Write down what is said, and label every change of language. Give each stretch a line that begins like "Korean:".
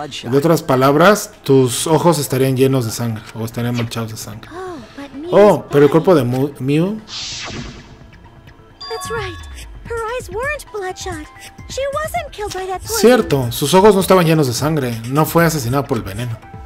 Spanish: De otras palabras, tus ojos estarían llenos de sangre o estarían manchados de sangre. Oh, pero el cuerpo de Mew.
English: That's right. Her eyes weren't bloodshot. She wasn't killed by that poison.
Spanish: Cierto, sus ojos no estaban llenos de sangre. No fue asesinada por el veneno.